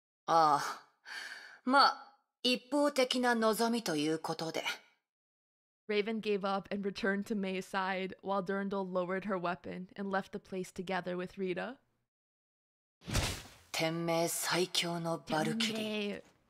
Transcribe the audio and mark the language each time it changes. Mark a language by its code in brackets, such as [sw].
[ja] ああ、まあ、一方的な望みということで。 [en] Raven gave up and returned to Mei's side while Durandal lowered her weapon and left the place together with Rita. [ja] 天命最強のバルキリー。